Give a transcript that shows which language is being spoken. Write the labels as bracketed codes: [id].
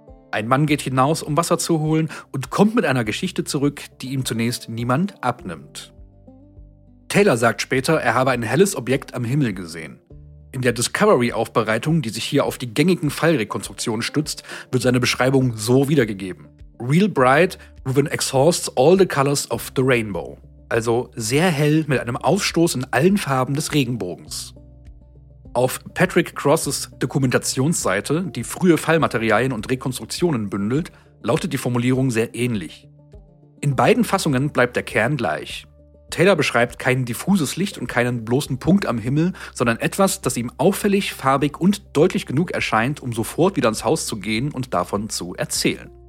[de] Ein Mann geht hinaus, um Wasser zu holen und kommt mit einer Geschichte zurück, die ihm zunächst niemand abnimmt. Taylor sagt später, er habe ein helles Objekt am Himmel gesehen. In In der Discovery-Aufbereitung, die sich hier auf die gängigen Fallrekonstruktionen stützt, wird seine Beschreibung so wiedergegeben. [en] Real bright, with an exhaust all the colors of the rainbow. [de] Also sehr hell mit einem Ausstoß in allen Farben des Regenbogens. Auf Patrick Crosses Dokumentationsseite, die frühe Fallmaterialien und Rekonstruktionen bündelt, lautet die Formulierung sehr ähnlich. In beiden Fassungen bleibt der Kern gleich. Taylor beschreibt kein diffuses Licht und keinen bloßen Punkt am Himmel, sondern etwas, das ihm auffällig, farbig und deutlich genug erscheint, um sofort wieder ins Haus zu gehen und davon zu erzählen.